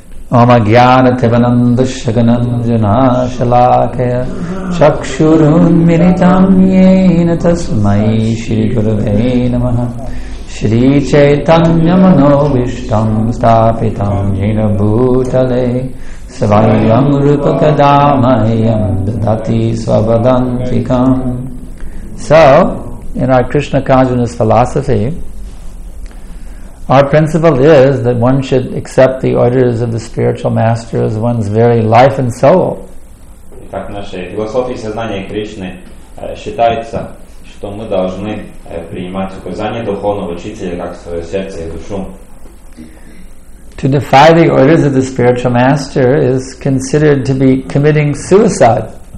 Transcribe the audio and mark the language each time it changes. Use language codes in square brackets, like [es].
[sa] Ома гьяна тивананда шаганандана шалакая чакшурун миритам йена тасмай шри гурве намаха Шри Чайтанья Мановиштам Стапитам Йена Бутале Свайям Рупа Кадамайям Дадати Свабадантикам. [en] So, in our Krishna consciousness philosophy, Our principle is that one should accept the orders of the spiritual master as one's very life and soul. [ru] Так в нашей философии сознания Кришны считается, что мы должны принимать указания духовного учителя как свое сердце и душу. [en] To defy the orders of the spiritual master is considered to be committing suicide.